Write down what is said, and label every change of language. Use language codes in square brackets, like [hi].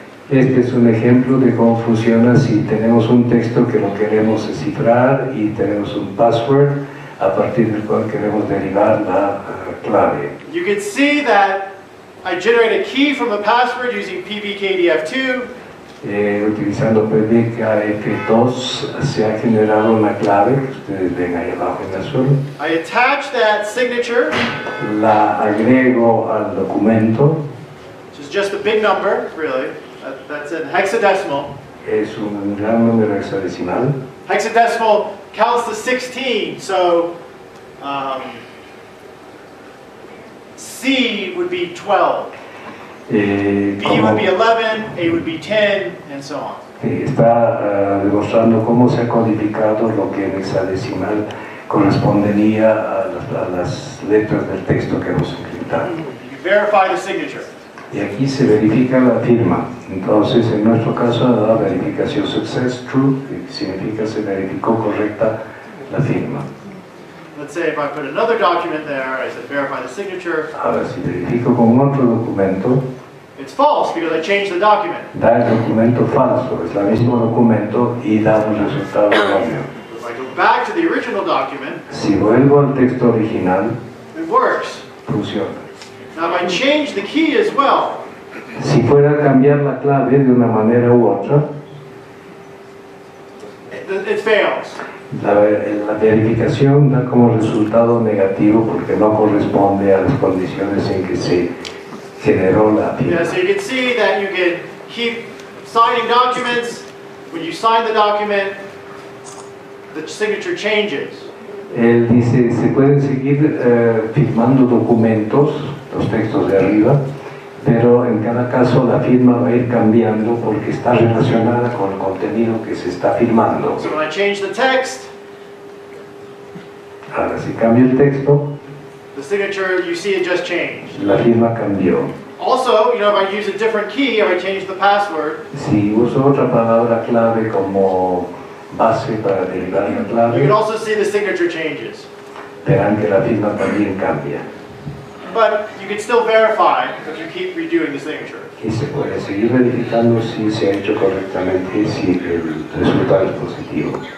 [es] Este es un ejemplo de cómo funciona si tenemos un texto que lo queremos descifrar y tenemos un password a partir del cual queremos derivar la clave. [en] You can see that I generate a key from a password using PBKDF2. [es] Utilizando PBKDF2 se ha generado una clave que ustedes ven ahí abajo en azul. [en] I attach that signature. [es] La agrego al documento. [en] Which is just a big number, really. That's in hexadecimal. [es] Es un gran número hexadecimal. [en] Hexadecimal counts to 16, so C would be 12. B would be 11, A would be 10, and so on. [es] Está demostrando cómo se ha codificado lo que en hexadecimal correspondería a las letras del texto que hemos encriptado. [en] You verify the signature. [es] Y aquí se verifica la firma. Entonces, en nuestro caso, la verificación [en] success, true, [es] significa se verificó correcta la firma. [en] Let's say if I put another document there, I said verify the signature. [es] Ahora, si verifico con otro documento, [en] it's false because I changed the document. [es] Da el documento falso, es el mismo documento y da un resultado erróneo. [en] If I go back to the original document, [es] si vuelvo al texto original, [en] it works. [es] Funciona. [en] Now, if I change the key as well, [es] si fuera a cambiar la clave de una manera u otra, [en] it fails. [es] La verificación da como resultado negativo porque no corresponde a las condiciones en que se generó la firma. [en] Yeah, so you can see that you can keep signing documents. When you sign the document, the signature changes. [es] Él dice, se pueden seguir firmando documentos, los textos de arriba, pero en cada caso la firma va a ir cambiando porque está relacionada con el contenido que se está firmando. [en] So when I change the text, [es] ahora si cambio el texto, [en] the signature, you see it just changed. [es] La firma cambió. [en] Also, you know, if I use a different key or I change the password, [es] si uso otra palabra clave como base para derivar la clave, [en] you can also see the signature changes. [es] Verán que la firma también cambia. [en] But you can still verify if you keep redoing the signature. [es] Y se puede seguir verificando si se ha hecho correctamente y si el resultado es positivo.